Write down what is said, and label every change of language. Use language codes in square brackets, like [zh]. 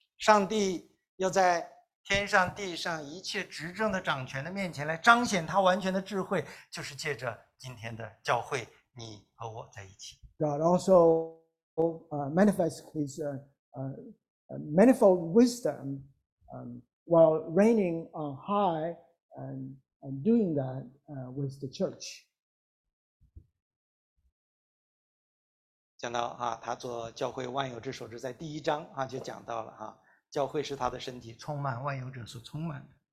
[zh] 上帝要在天上地上一切执政的掌权的面前来彰显他完全的智慧，就是借着今天的教会，你和我在一起。 [en] God also manifests his manifold wisdom while reigning on high and doing that with the church. [zh] 讲到啊，他做教会万有之首之，在第一章啊就讲到了啊，教会是他的身体，充满万有者所充满的。